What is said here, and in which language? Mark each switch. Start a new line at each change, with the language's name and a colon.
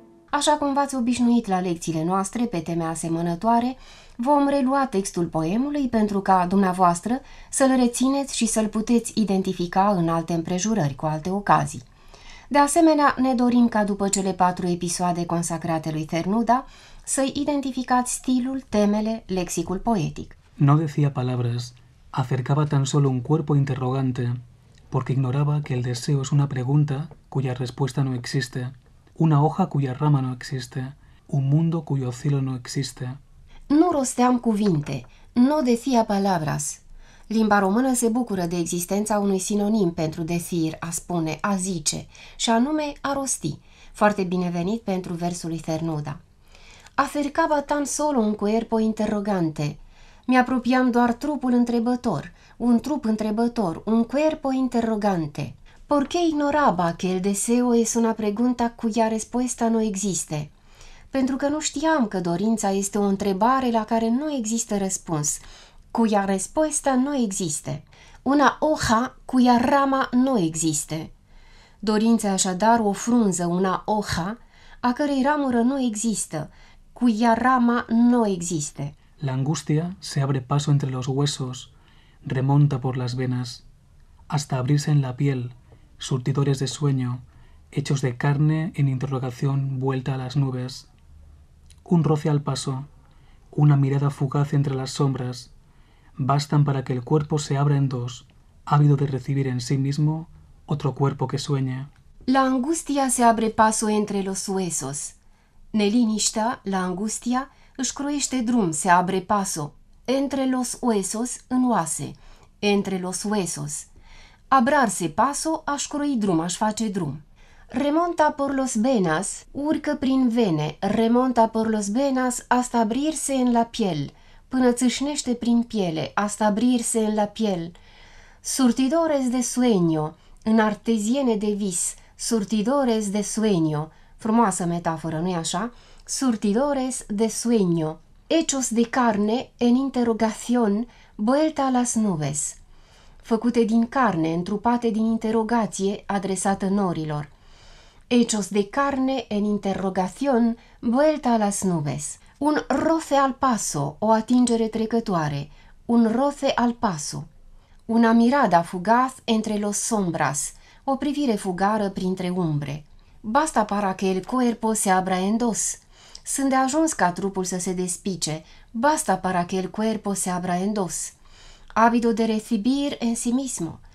Romanian: Așa cum v-ați obișnuit la lecțiile noastre pe teme asemănătoare, vom relua textul poemului pentru ca dumneavoastră să-l rețineți și să-l puteți identifica în alte împrejurări cu alte ocazii. De asemenea, ne dorim ca după cele 4 episoade consacrate lui Fernuda să-i identificați stilul, temele, lexicul poetic.
Spanish: No decía palabras, acercaba tan solo un cuerpo interrogante, porque ignoraba que el deseo es una pregunta cuya respuesta no existe, una hoja cuya rama no existe, un mundo cuyo cielo no existe.
Romanian: Nu rosteam cuvinte,
Spanish: no decía palabras.
Romanian: Limba română se bucură de existența unui sinonim pentru decir, a spune, a zice, și anume a rosti, foarte binevenit pentru versul lui Fernuda.
Spanish: Acercaba tan solo un cuerpo interrogante.
Romanian: Mi-apropiam doar trupul întrebător, un trup întrebător,
Spanish: un cuerpo interrogante. Por qué ignoraba que el deseo es una pregunta cuya respuesta no existe?
Romanian: Pentru că nu știam că dorința este o întrebare la care nu există răspuns,
Spanish: cuya respuesta no existe,
Romanian: una hoja cuya rama no existe. Dorința așadar o frunză,
Spanish: una hoja,
Romanian: a cărei ramură nu există,
Spanish: cuya rama no existe. La angustia se abre paso entre los huesos, remonta por las venas, hasta abrirse en la piel, surtidores de sueño, hechos de carne en interrogación vuelta a las nubes. Un roce al paso, una mirada fugaz entre las sombras, bastan para que el cuerpo se abra en dos, ávido de recibir en sí mismo otro cuerpo que sueña. La angustia se abre paso entre los huesos.
Romanian: Neliniștea,
Spanish: la angustia,
Romanian: își croiește drum,
Spanish: se abre paso. Entre los huesos,
Romanian: în oase.
Spanish: Entre los huesos. Abrarse paso,
Romanian: aș croi drum, aș face drum.
Spanish: Remonta por los venas,
Romanian: urcă prin vene.
Spanish: Remonta por los venas, hasta abrirse en la piel.
Romanian: Până țâșnește prin piele,
Spanish: hasta abrirse en la piel. Surtidores de sueño,
Romanian: în arteziene de vis.
Spanish: Surtidores de sueño.
Romanian: Frumoasă metaforă, nu-i așa?
Spanish: Surtidores de sueño, hechos de carne en interrogación, vuelta a las nubes.
Romanian: Făcute din carne, întrupate din interogație, adresată norilor.
Spanish: Hechos de carne en interrogación, vuelta a las nubes. Un roce al paso,
Romanian: o atingere trecătoare.
Spanish: Un roce al paso. Una mirada fugaz entre los sombras,
Romanian: o privire fugară printre umbre.
Spanish: Basta para que el cuerpo se abra en dos.
Romanian: Sunt de ajuns ca trupul să se despice.
Spanish: Basta para que el cuerpo se abra en dos. Ávido de recibir en sí mismo.